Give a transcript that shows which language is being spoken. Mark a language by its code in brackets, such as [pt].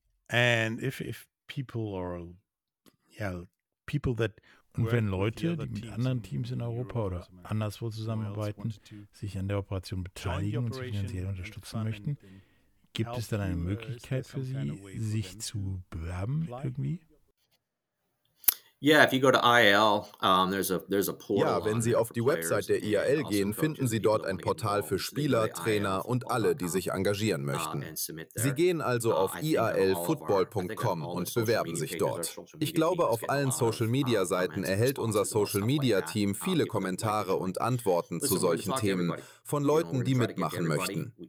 [en] And if people are, people that [de] und wenn Leute, die mit anderen Teams in Europa oder anderswo zusammenarbeiten, sich an der Operation beteiligen und sie finanziell unterstützen möchten, gibt es dann eine Möglichkeit für sie, sich zu bewerben irgendwie? [en] Yeah, if you go to IAL, there's a portal. [de] Ja, wenn Sie auf die Website der IAL gehen, finden Sie dort ein Portal für Spieler, Trainer und alle, die sich engagieren möchten. Sie gehen also auf IALfootball.com und bewerben sich dort. Ich glaube, auf allen Social Media Seiten erhält unser Social Media Team viele Kommentare und Antworten zu solchen Themen von Leuten, die mitmachen möchten.